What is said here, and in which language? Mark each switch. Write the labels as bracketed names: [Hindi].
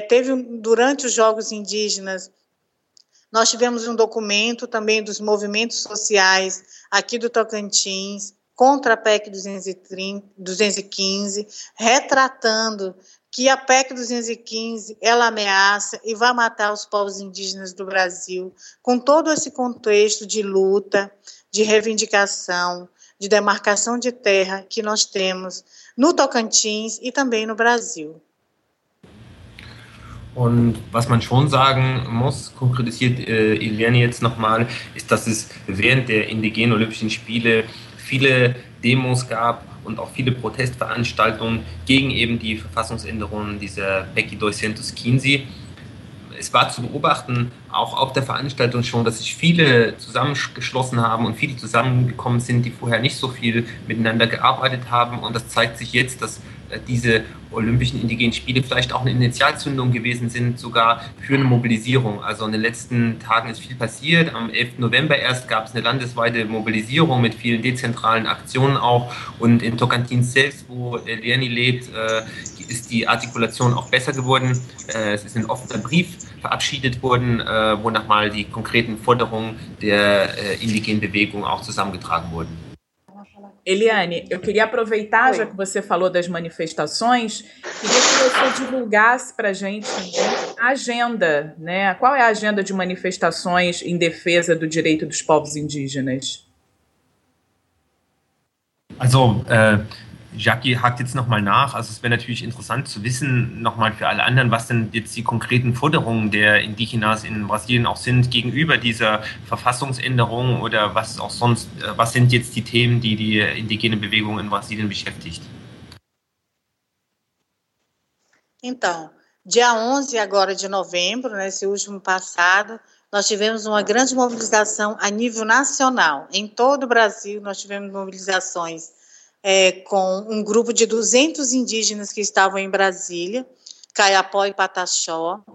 [Portuguese] Teve, durante os jogos indígenas, nós tivemos um documento também dos movimentos sociais aqui do Tocantins contra a PEC 215, retratando que a PEC 215 ela ameaça e vai matar os povos indígenas do Brasil, com todo esse contexto de luta, de reivindicação, de demarcação de terra que nós temos no Tocantins e também no Brasil. [German] Und was man schon sagen muss, konkretisiert Eliane jetzt nochmal, ist, dass es während der indigenen Olympischen Spiele viele Demos gab und auch viele Protestveranstaltungen gegen eben die Verfassungsänderungen dieser PEC 215. Es war zu beobachten, auch auf der Veranstaltung schon, dass sich viele zusammengeschlossen haben und viele zusammengekommen sind, die vorher nicht so viel miteinander gearbeitet haben. Und das zeigt sich jetzt, dass diese Olympischen Indigenen Spiele vielleicht auch eine Initialzündung gewesen sind, sogar für eine Mobilisierung. Also in den letzten Tagen ist viel passiert. Am 11. November erst gab es eine landesweite Mobilisierung mit vielen dezentralen Aktionen auch. Und in Tocantins selbst, wo Eliane lebt, ist die Artikulation auch besser geworden. Es ist ein offener Brief verabschiedet worden, wo nochmal die konkreten Forderungen der indigenen Bewegung auch zusammengetragen wurden. [Portuguese] Eliane, eu queria aproveitar, já que você falou das manifestações, queria que você divulgasse para a gente a agenda, né? Qual é a agenda de manifestações em defesa do direito dos povos indígenas? [German] Also, Jackie hakt jetzt nochmal nach. Also es wäre natürlich interessant zu wissen, nochmal für alle anderen, was denn jetzt die konkreten Forderungen der Indigenas in Brasilien auch sind gegenüber dieser Verfassungsänderung oder was auch sonst, was sind jetzt die Themen, die die indigene Bewegung in Brasilien beschäftigt? [Portuguese] Então, dia 11 agora de novembro, nesse último passado, nós tivemos uma grande mobilização a nível nacional. Em todo o Brasil, nós tivemos mobilizações com um grupo de 200 indígenas que estavam em Brasília, Caiapó e Pataxó.